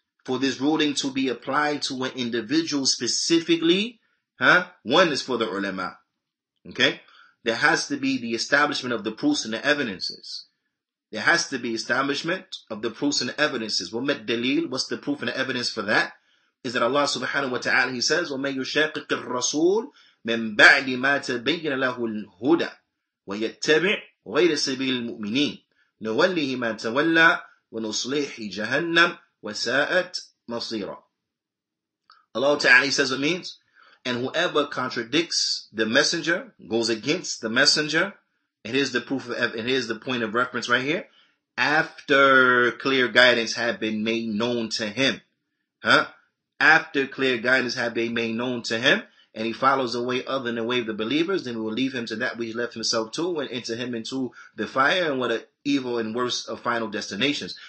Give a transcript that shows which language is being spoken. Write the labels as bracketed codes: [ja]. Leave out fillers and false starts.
[en] For this ruling to be applied to an individual specifically, huh? One is for the ulama. Okay? There has to be the establishment of the proofs and the evidences. There has to be establishment of the proofs and evidences. [ar] وَمَدْ دَلِيلُ [en] What's the proof and the evidence for that? [ar] Is that Allah subhanahu wa ta'ala, he says, وَمَنْ يُشَاقِقِ الرَّسُولُ مِنْ بَعْدِ مَا تَبَيِّنَ لَهُ الْهُدَى وَيَتَّبِعْ غَيْرَ سَبِيلِ الْمُؤْمِنِينَ نُوَلِّهِ مَا تَوَلَّى وَنُصْلِحِ جَهَنَّمْ وَسَاءَتْ مَصِيرًا. [en] Allah ta'ala, he says, it means, and whoever contradicts the messenger, goes against the messenger, it is the proof of, it is the point of reference right here, after clear guidance had been made known to him. Huh? After clear guidance had been made known to him, and he follows the way other than the way of the believers, then we will leave him to that which he left himself to, and into him into the fire, and what an evil and worse of final destinations.